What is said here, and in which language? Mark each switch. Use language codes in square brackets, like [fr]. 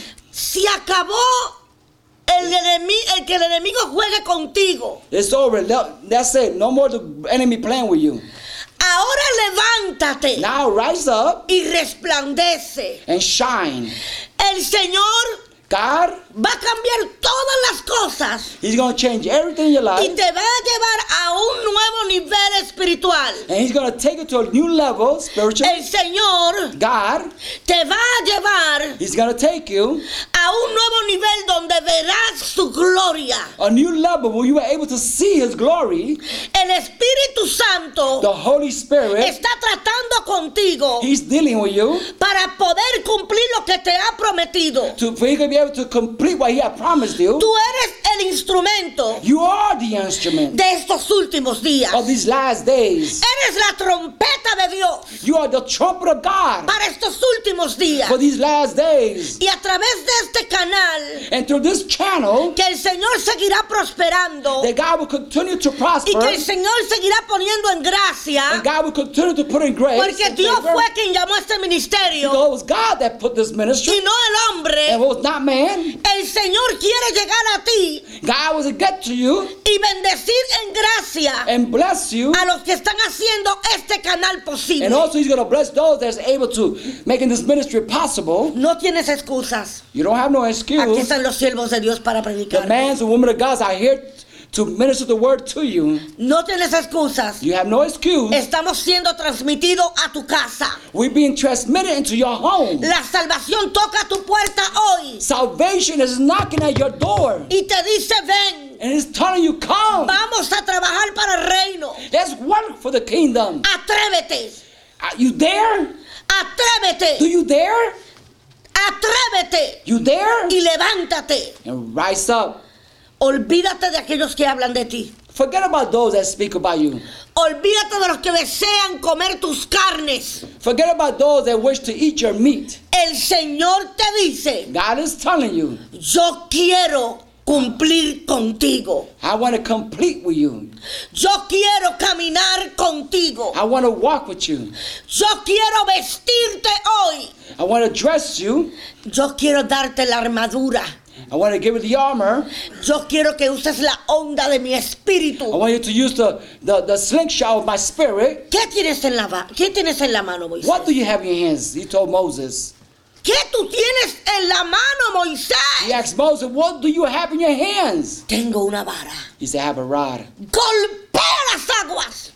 [es] Si acabó. El que el enemigo juegue contigo. [en] It's over. That's it. No more the enemy playing with you. [es] Ahora levántate. [en] Now rise up. [es] Y resplandece. [en] And shine. [es] El Señor. [en] God. [es] Va a cambiar todas las cosas. [en] He's going to change everything in your life. [es] Y te va a llevar a un nuevo nivel espiritual. [en] And he's going to take you to a new level spiritual. [es] El Señor. [en] God. [es] Te va a llevar. [en] He's going to take you. [es] A un nuevo nivel donde verás su gloria. [en] A new level where you are able to see his glory. [es] El Espíritu Santo. [en] The Holy Spirit. [es] Está tratando contigo. [en] He's dealing with you. [es] Para poder cumplir lo que te ha prometido. [en] To be able to complete what he had promised you. [es] Tú eres el instrumento. [en] You are the instrument. [es] De estos últimos días. [en] Of these last days. [es] Eres la trompeta de Dios. [en] You are the trumpet of God. [es] Para estos últimos días. [en] For these last days. [es] Y a través de este canal. [en] And through this channel. [es] Que el Señor seguirá prosperando. [en] That God will continue to prosper. [es] Y que el Señor seguirá poniendo en gracia. [en] And God will continue to put in grace. [es] Porque Dios fue quien llamó este ministerio. [en] Because it was God that put this ministry. [es] Y no el hombre. [en] Not man. [es] El Señor quiere llegar a ti. [en] God wants to get to you. [es] Y bendecir en gracia. [en] And bless you. [es] A los que están haciendo este canal posible. [en] And also he's going to bless those that's able to making this ministry possible. [es] No tienes excusas. [en] You don't have no excuse. [es] Aquí están los siervos de Dios para predicar. [en] The man's and woman of God are here to minister the word to you. [es] No tienes excusas. [en] You have no excuse. [es] Estamos siendo transmitido a tu casa. [en] We're being transmitted into your home. [es] La salvación toca tu puerta hoy. [en] Salvation is knocking at your door. [es] Y te dice ven. [en] And it's telling you come. [es] Vamos a trabajar para el reino. [en] Let's work for the kingdom. [es] Atrévete. [en] Are you there? [es] Atrévete. [en] Do you dare? [es] Atrévete. [en] You dare? [es] Y levántate. [en] And rise up. [es] Olvídate de aquellos que hablan de ti. [en] Forget about those that speak about you. [es] Olvídate de los que desean comer tus carnes. [en] Forget about those that wish to eat your meat. [es] El Señor te dice. [en] God is telling you. [es] Yo quiero cumplir contigo. [en] I want to complete with you. [es] Yo quiero caminar contigo. [en] I want to walk with you. [es] Yo quiero vestirte hoy. [en] I want to dress you. [es] Yo quiero darte la armadura. [en] I want to give you the armor. [es] Yo quiero que uses la onda de mi espíritu. [en] I want you to use the slingshot of my spirit. [es] ¿Qué tienes en la mano, Moisés? [en] What do you have in your hands? He told Moses. [es] ¿Qué tú tienes en la mano, Moisés? [en] He asked Moses, what do you have in your hands? [es] Tengo una vara. [en] He said, I have a rod. [es] Golpea las aguas.